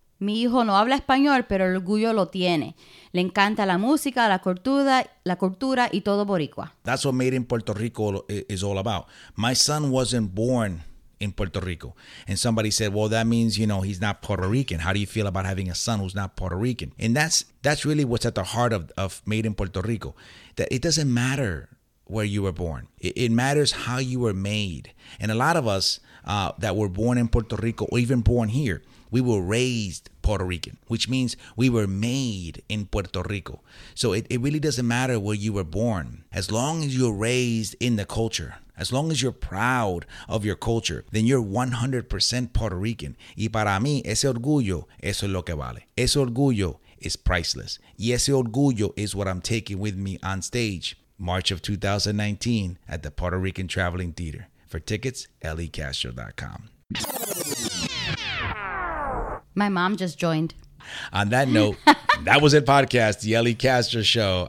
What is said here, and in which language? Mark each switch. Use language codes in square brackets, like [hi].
[es] Mi hijo no habla español, pero el orgullo lo tiene. Le encanta la música, la cultura y todo boricua. [en] That's what made in Puerto Rico is all about. My son wasn't born in Puerto Rico. And somebody said, well, that means, you know, he's not Puerto Rican. How do you feel about having a son who's not Puerto Rican? And that's really what's at the heart of Made in Puerto Rico. That it doesn't matter where you were born. It matters how you were made. And a lot of us that were born in Puerto Rico or even born here, we were raised Puerto Rican, which means we were made in Puerto Rico. So it really doesn't matter where you were born. As long as you're raised in the culture, as long as you're proud of your culture, then you're 100% Puerto Rican. [es] Y para mí, ese orgullo, eso es lo que vale. Ese orgullo [en] is priceless. [es] Y ese orgullo [en] is what I'm taking with me on stage, March of 2019 at the Puerto Rican Traveling Theater. For tickets, LEcastro.com. My mom just joined. On that note, that was it, podcast, the Ellie Castro Show.